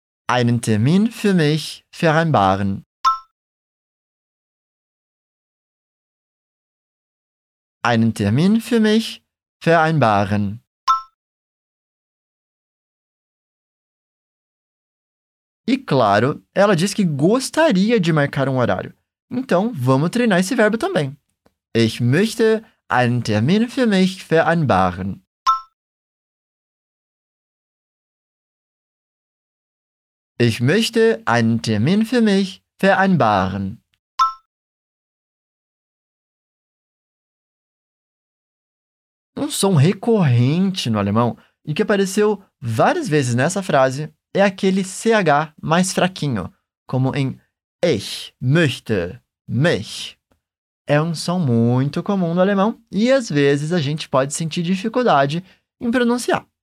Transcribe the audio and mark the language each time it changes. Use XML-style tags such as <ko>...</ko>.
<de>Einen Termin für mich vereinbaren. Einen Termin für mich vereinbaren.</de> <pt>E claro, ela diz que gostaria de marcar um horário. Então, vamos treinar esse verbo também.</pt> <de>Ich möchte einen Termin für mich vereinbaren. Ich möchte einen Termin für mich vereinbaren.</de> <pt>Um som recorrente no alemão e que apareceu várias vezes nessa frase é aquele CH mais fraquinho, como em</pt> <de>ich möchte mich.</de> <pt>É um som muito comum no alemão e, às vezes, a gente pode sentir dificuldade em pronunciar.</pt>